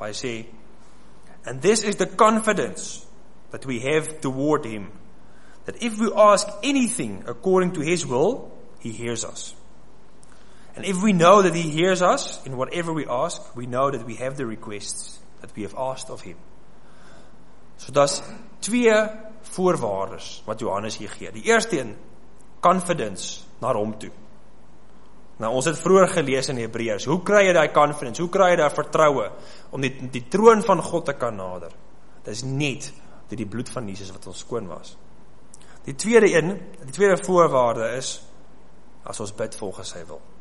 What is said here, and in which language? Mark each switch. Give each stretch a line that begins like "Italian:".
Afrikaans: Hy sê,
English: And this is the confidence that we have toward him, that if we ask anything according to his will, he hears us. And if we know that he hears us in whatever we ask, we know that we have the requests that we have asked of him.
Afrikaans: So dat is twee voorwaardes wat Johannes hier gee. Die eerste een, confidence naar hom toe. Nou, ons het vroeger gelees in Hebreërs, hoe kry jy daai confidence, hoe kry jy daai vertroue om die troon van God te kan nader? Dit is net die bloed van Jesus wat ons skoon was. Die tweede voorwaarde is, as ons bid volgens sy wil.